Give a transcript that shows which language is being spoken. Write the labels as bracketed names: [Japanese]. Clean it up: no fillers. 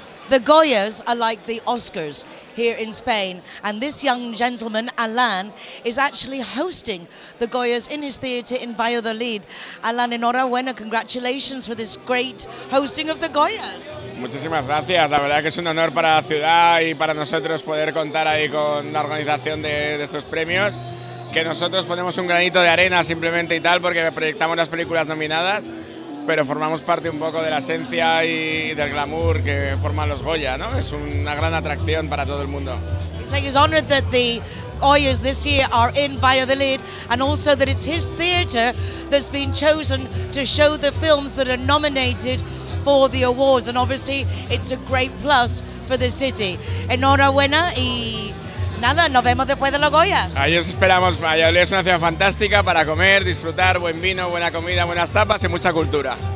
[English] The Goyas are like the Oscars here in Spain, and this young gentleman, Alan, is actually hosting the Goyas in his theatre in Valladolid. Alan, enhorabuena, congratulations for this great hosting of the Goyas. [Spanish] Muchísimas gracias, la verdad que es un honor para la ciudad y para nosotros poder contar ahí con la organización de estos premios, que nosotros ponemos un granito de arena simplemente y tal, porque proyectamos las películas nominadas. Pero formamos parte un poco de la esencia y del glamour que forman los Goya, ¿no? Es una gran atracción para todo el mundo. [English] He's saying he's honored that the Goyas this year are in Valladolid, and also that it's his theater that's been chosen to show the films that are nominated for the awards, and obviously it's a great plus for the city. [Spanish] Enhorabuena y nada, nos vemos después de los Goyas. Ahí os esperamos. Valladolid es una ciudad fantástica para comer, disfrutar, buen vino, buena comida, buenas tapas y mucha cultura.